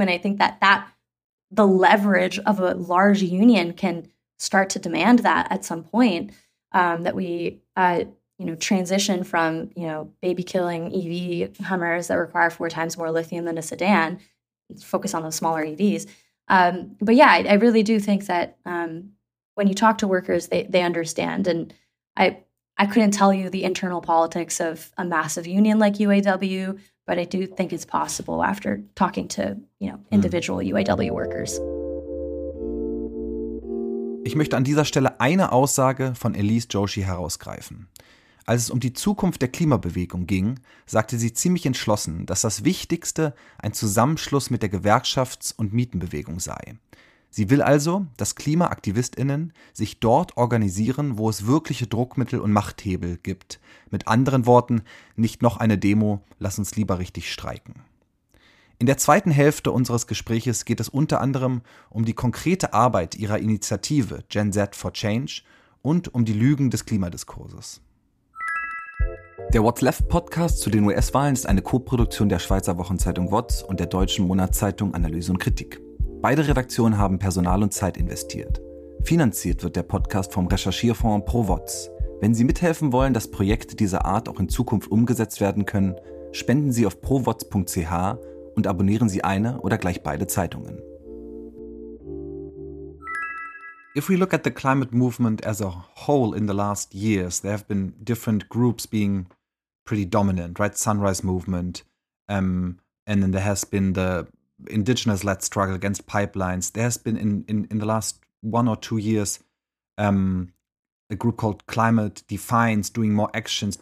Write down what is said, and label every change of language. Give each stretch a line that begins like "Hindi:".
English: And I think that the leverage of a large union can start to demand that at some point, that we you know, transition from, you know, baby killing EV Hummers that require four times more lithium than a sedan, focus on those smaller EVs. But yeah, I really do think that when you talk to workers, they understand. And I couldn't tell you the internal politics of a massive union like UAW, but I do think it's possible after talking to, you know, individual UAW workers.
German: Ich möchte an dieser Stelle eine Aussage von Elise Joshi herausgreifen. Als es um die Zukunft der Klimabewegung ging, sagte sie ziemlich entschlossen, dass das Wichtigste ein Zusammenschluss mit der Gewerkschafts- und Mietenbewegung sei. Sie will also, dass KlimaaktivistInnen sich dort organisieren, wo es wirkliche Druckmittel und Machthebel gibt. Mit anderen Worten, nicht noch eine Demo, lass uns lieber richtig streiken. In der zweiten Hälfte unseres Gespräches geht es unter anderem um die konkrete Arbeit ihrer Initiative Gen Z for Change und um die Lügen des Klimadiskurses. Der What's Left Podcast zu den US-Wahlen ist eine Koproduktion der Schweizer Wochenzeitung What's und der deutschen Monatszeitung Analyse und Kritik. Beide Redaktionen haben Personal und Zeit investiert. Finanziert wird der Podcast vom Recherchierfonds ProWatts. Wenn Sie mithelfen wollen, dass Projekte dieser Art auch in Zukunft umgesetzt werden können, spenden Sie auf prowatts.ch und abonnieren Sie eine oder gleich beide Zeitungen.
English: If we look at the climate movement as a whole in the last years, there have been different groups being pretty dominant, right? Sunrise Movement, and then there has been the indigenous-led struggle against pipelines. There has been in the last one or two years a group called Climate Defiance doing more actions.